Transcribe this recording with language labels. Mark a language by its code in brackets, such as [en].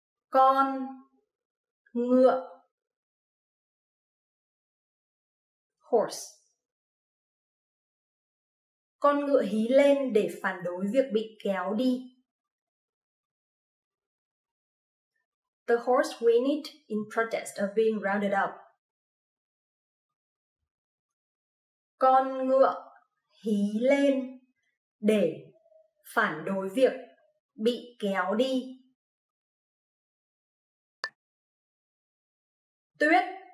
[vi] Con ngựa. [en] Horse. [vi] Con ngựa hí lên để phản đối việc bị kéo đi. [en] The horse whinnied in protest of being rounded up. [vi] Con ngựa hí lên để phản đối việc bị kéo đi. Tuyết.